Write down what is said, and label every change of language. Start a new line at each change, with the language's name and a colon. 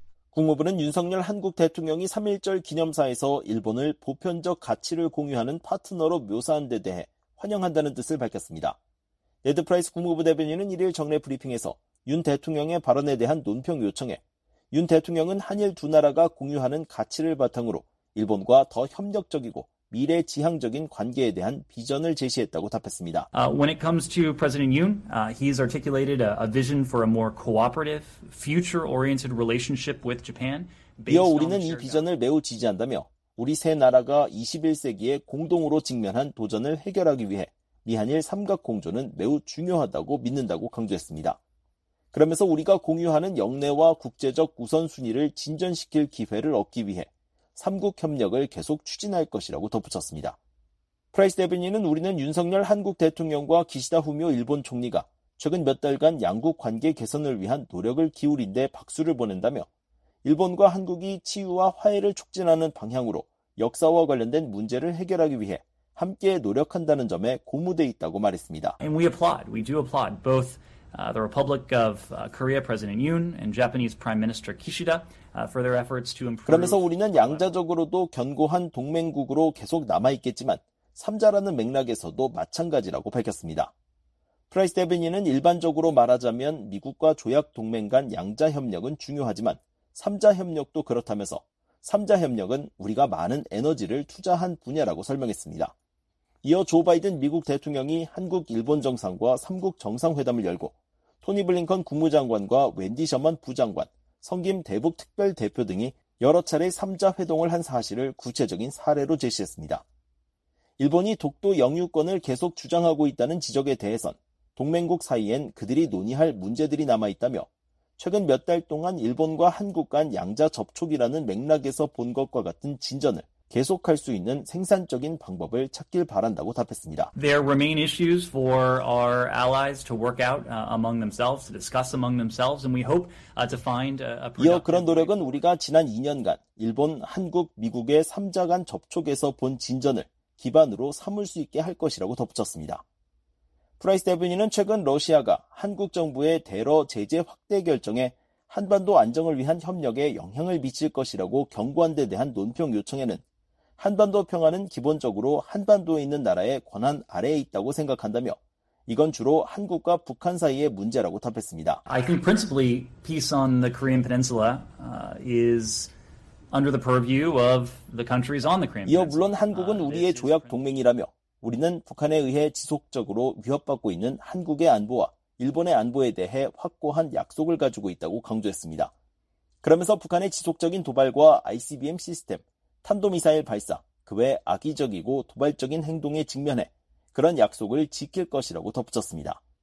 Korean: 국무부는 윤석열 한국 대통령이 3.1절 기념사에서 일본을 보편적 가치를 공유하는 파트너로 묘사한 데 대해 환영한다는 뜻을 밝혔습니다. 네드 프라이스 국무부 대변인은 1일 정례 브리핑에서 윤 대통령의 발언에 대한 논평 요청에 윤 대통령은 한일 두 나라가 공유하는 가치를 바탕으로 일본과 더 협력적이고 미래 지향적인 관계에 대한 비전을 제시했다고 답했습니다.
English: When it comes to President Yoon, he's articulated a vision for a more cooperative, future-oriented relationship with Japan.
Korean: 이어 우리는 이 비전을 매우 지지한다며 우리 세 나라가 21세기에 공동으로 직면한 도전을 해결하기 위해 미한일 삼각 공조는 매우 중요하다고 믿는다고 강조했습니다. 그러면서 우리가 공유하는 역내와 국제적 우선순위를 진전시킬 기회를 얻기 위해 3국 협력을 계속 추진할 것이라고 덧붙였습니다. 프라이스 대변인은 우리는 윤석열 한국 대통령과 기시다 후미오 일본 총리가 최근 몇 달간 양국 관계 개선을 위한 노력을 기울인 데 박수를 보낸다며 일본과 한국이 치유와 화해를 촉진하는 방향으로 역사와 관련된 문제를 해결하기 위해 함께 노력한다는 점에 고무돼 있다고 말했습니다.
English: And we applaud. We do applaud both the Republic of Korea President Yoon and Japanese Prime Minister Kishida for their efforts to improve.
Korean: 그러면서 우리는 양자적으로도 견고한 동맹국으로 계속 남아 있겠지만 삼자라는 맥락에서도 마찬가지라고 밝혔습니다. 프라이스 대변인은 일반적으로 말하자면 미국과 조약 동맹 간 양자 협력은 중요하지만 삼자 협력도 그렇다면서 삼자 협력은 우리가 많은 에너지를 투자한 분야라고 설명했습니다. 이어 조 바이든 미국 대통령이 한국 일본 정상과 3국 정상회담을 열고 토니 블링컨 국무장관과 웬디 셔먼 부장관, 성김 대북 특별 대표 등이 여러 차례 3자 회동을 한 사실을 구체적인 사례로 제시했습니다. 일본이 독도 영유권을 계속 주장하고 있다는 지적에 대해선 동맹국 사이엔 그들이 논의할 문제들이 남아 있다며 최근 몇 달 동안 일본과 한국 간 양자 접촉이라는 맥락에서 본 것과 같은 진전을 계속할 수 있는 생산적인 방법을 찾길 바란다고 답했습니다.
English: There remain issues for our allies to work out among themselves, to discuss among themselves, and we hope to find a productive.
Korean: 이어 그런 노력은 우리가 지난 2년간 일본, 한국, 미국의 3자 간 접촉에서 본 진전을 기반으로 삼을 수 있게 할 것이라고 덧붙였습니다. 프라이스 대변인은 최근 러시아가 한국 정부의 대러 제재 확대 결정에 한반도 안정을 위한 협력에 영향을 미칠 것이라고 경고한 데 대한 논평 요청에는 한반도 평화는 기본적으로 한반도에 있는 나라의 권한 아래에 있다고 생각한다며 이건 주로 한국과 북한 사이의 문제라고 답했습니다.
English: I think principally peace on the Korean Peninsula is under the purview of the countries on the Korean Peninsula.
Korean: 이어 물론 한국은 우리의 조약 동맹이라며 우리는 북한에 의해 지속적으로 위협받고 있는 한국의 안보와 일본의 안보에 대해 확고한 약속을 가지고 있다고 강조했습니다. 그러면서 북한의 지속적인 도발과 ICBM 시스템, 탄도미사일 발사, 그 외 악의적이고 도발적인 행동에 직면해 그런 약속을 지킬 것이라고 덧붙였습니다.